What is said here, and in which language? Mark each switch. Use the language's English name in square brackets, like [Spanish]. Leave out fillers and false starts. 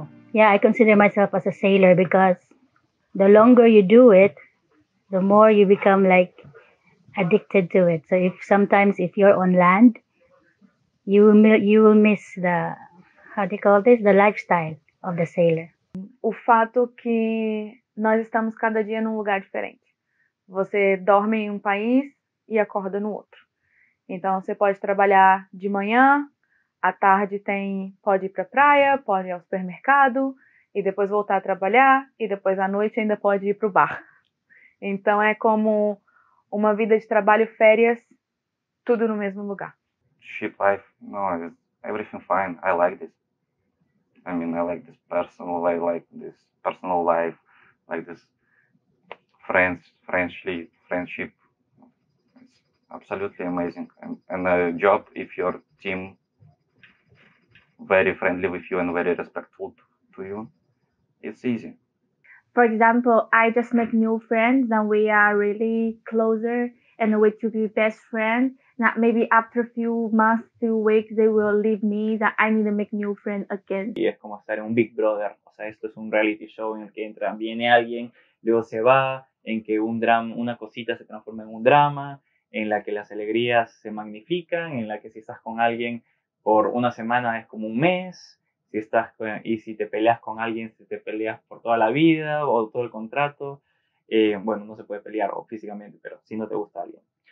[English] Yeah, I consider myself as a sailor because the longer you do it, the more you become like addicted to it. So if sometimes if you're on land, you will miss the, how do you call this, the lifestyle of the sailor. [Portuguese] O fato que nós estamos cada dia num lugar diferente. Você dorme em um país e acorda no outro. Então você pode trabalhar de manhã. À tarde pode ir para a praia, pode ir ao supermercado e depois voltar a trabalhar e depois à noite ainda pode ir para o bar. Então é como uma vida de trabalho, férias, tudo no mesmo lugar. [English] Ship life, no, everything fine. I like this. I mean, I like this personal life, like this personal life, like this friendship. It's absolutely amazing. And a job if your team very friendly with you and very respectful to you, it's easy. For example, I just met new friends and we are really closer and we could be best friends. That maybe after a few months, 2 weeks, they will leave me, that I need to make new friends again. [Spanish] Y es como estar en un Big Brother. O sea, esto es un reality show en el que entra, viene alguien, luego se va, en que un drama, una cosita se transforma en un drama, en la que las alegrías se magnifican, en la que si estás con alguien por una semana es como un mes, si estás y si te peleas con alguien, si te peleas por toda la vida o todo el contrato, bueno, no se puede pelear físicamente, pero si no te gusta alguien.